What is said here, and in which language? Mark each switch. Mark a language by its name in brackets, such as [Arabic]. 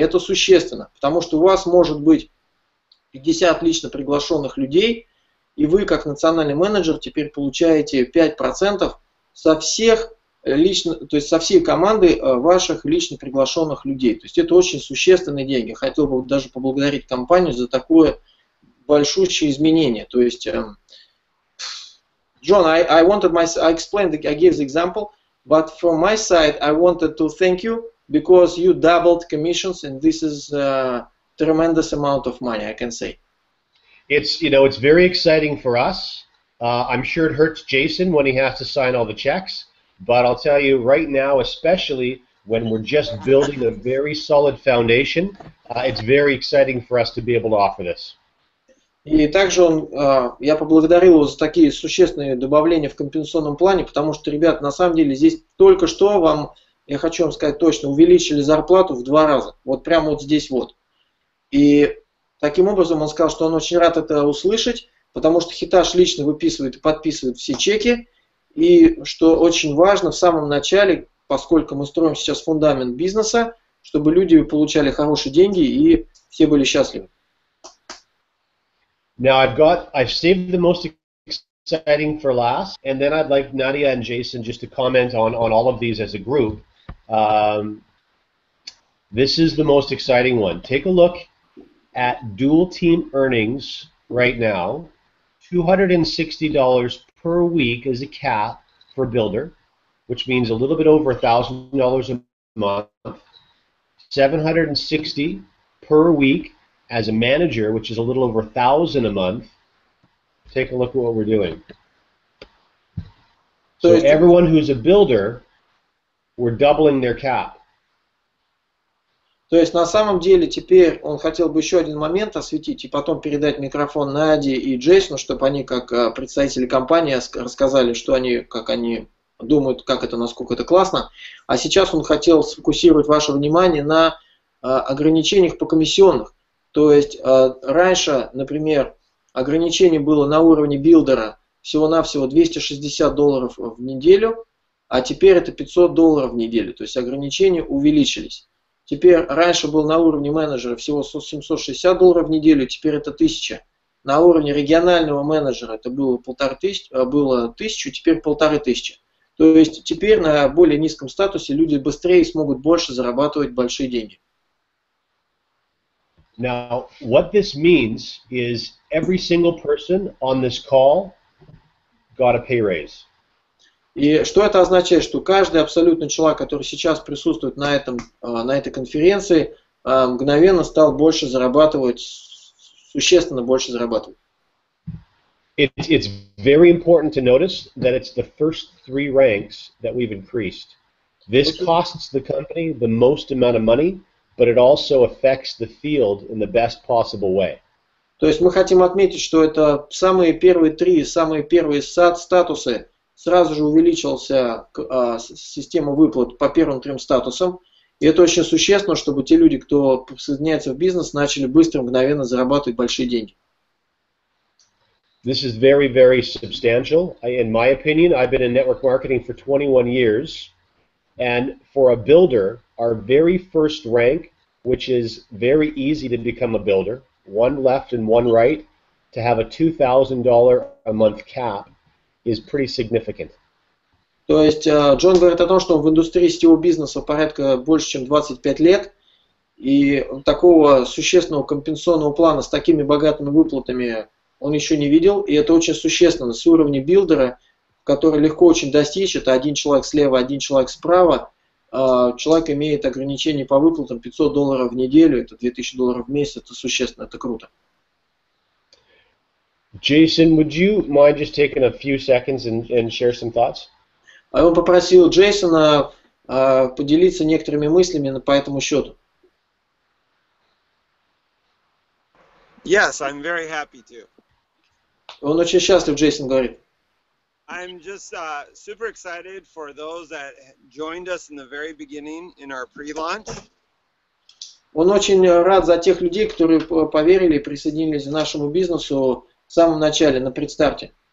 [Russian] Это существенно, потому что у вас может быть 50 лично приглашенных людей, и вы, как национальный менеджер, теперь получаете 5% со всех лично, то есть со всей команды ваших лично приглашенных людей. То есть это очень существенные деньги. Хотел бы даже поблагодарить компанию за такое большущее изменение. То есть, [English] John, I gave the example, but from my side, I wanted to thank you because you doubled commissions and this is tremendous amount of money, I can say. It's very exciting for us. I'm sure it hurts Jason when he has to sign all the checks, but I'll tell you right now, especially when we're just building a very solid foundation, it's very exciting for us to be able to offer this. [Russian] И также он, я поблагодарил его за такие существенные добавления в компенсационном плане, потому что, ребят, на самом деле здесь только что вам, я хочу вам сказать точно, увеличили зарплату в два раза. Вот прямо вот здесь вот. И таким образом он сказал, что он очень рад это услышать, потому что Hitach лично выписывает и подписывает все чеки. И что очень важно, в самом начале, поскольку мы строим сейчас фундамент бизнеса, чтобы люди получали хорошие деньги и все были счастливы. [English] Now I've saved the most exciting for last, and then I'd like Nadia and Jason just to comment on all of these as a group. This is the most exciting one. Take a look at dual team earnings right now. $260 per week is a cap for builder, which means a little bit over $1,000 a month. $760 per week as a manager, which is a little over $1,000 a month. Take a look at what we're doing. So everyone who's a builder, we're doubling their cap. [Russian] То есть на самом деле теперь он хотел бы еще один момент осветить и потом передать микрофон Наде и Джейсону, чтобы они как представители компании рассказали, что они, как они думают, как это, насколько это классно. А сейчас он хотел сфокусировать ваше внимание на ограничениях по комиссионных. То есть раньше, например, ограничение было на уровне билдера всего-навсего $260 в неделю, а теперь это $500 в неделю. То есть ограничения увеличились. Теперь раньше был на уровне менеджера всего $760 в неделю, теперь это 1000. На уровне регионального менеджера это было 1000, теперь 1500. То есть теперь на более низком статусе люди быстрее смогут больше зарабатывать большие деньги. [English] Now, what this means is every single person on this call got a pay raise. [Russian] И что это означает, что каждый абсолютно человек, который сейчас присутствует на этом, на этой конференции, мгновенно стал больше зарабатывать, существенно больше зарабатывать. [English] It's very important to notice that it's the first three ranks that we've increased. This costs the company the most amount of money, but it also affects the field in the best possible way. [Russian] То есть мы хотим отметить, что это самые первые три, самые первые статусы сразу же увеличился система выплат по первым трем статусам. И это очень существенно, чтобы те люди, кто присоединяется в бизнес, начали быстро, мгновенно зарабатывать большие деньги. [English] This is very, very substantial. In my opinion, I've been in network marketing for 21 years. And for a builder, our very first rank, which is very easy to become a builder, one left and one right, to have a $2,000 a month cap is pretty significant. [Russian] То есть Джон говорит о том, что он в индустрии сетевого бизнеса порядка больше, чем 25 лет, и такого существенного компенсационного плана с такими богатыми выплатами он еще не видел, и это очень существенно с уровня билдера, который легко очень достичь, это один человек слева, один человек справа, человек имеет ограничение по выплатам $500 в неделю, это $2000 в месяц, это существенно, это круто. [English] Jason, would you mind just taking a few seconds and share some thoughts? [Russian] Он попросил Джейсона поделиться некоторыми мыслями по этому счету. [English] Yes, I'm very happy to. [Russian] Он очень счастлив, Джейсон говорит. [English] I'm just super excited for those that joined us in the very beginning in our pre-launch. [Russian] Он очень рад за тех людей, которые поверили и присоединились к нашему бизнесу в самом начале, на предстарте.